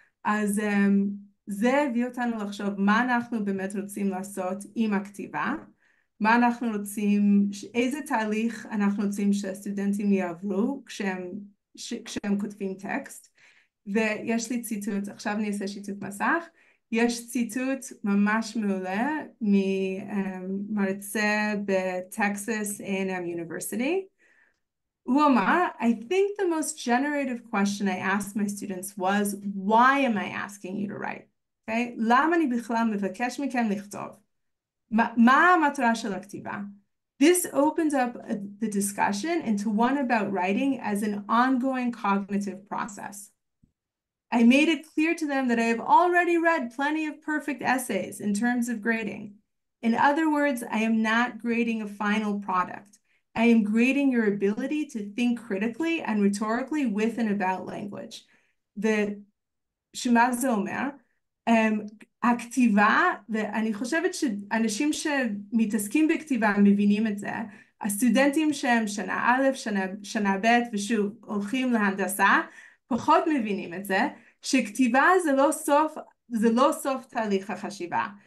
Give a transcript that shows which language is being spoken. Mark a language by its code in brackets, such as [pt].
[he] אז זה הביא אותנו לחשוב מה אנחנו באמת רוצים לעשות עם הכתיבה, מה אנחנו רוצים, איזה תהליך אנחנו רוצים שהסטודנטים יעברו כשהם כותבים טקסט. ויש לי ציטוט, עכשיו אני אעשה שיתוף מסך, יש ציטוט ממש מעולה ממרצה בטקסס A&M University. הוא אמר, [en] I think the most generative question I asked my students was, why am I asking you to write? Okay? [he] למה אני בכלל מבקש מכם לכתוב? מה המטרה של הכתיבה? [en] This opens up the discussion into one about writing as an ongoing cognitive process. I made it clear to them that I have already read plenty of perfect essays in terms of grading. In other words, I am not grading a final product. I am grading your ability to think critically and rhetorically with and about language. [he] ושמה זה אומר, הכתיבה, ואני חושבת שאנשים שמתעסקים בכתיבה מבינים את זה, הסטודנטים שהם שנה א', שנה ב', ושוב, הולכים להנדסה, פחות מבינים את זה, שכתיבה זה לא סוף תהליך החשיבה.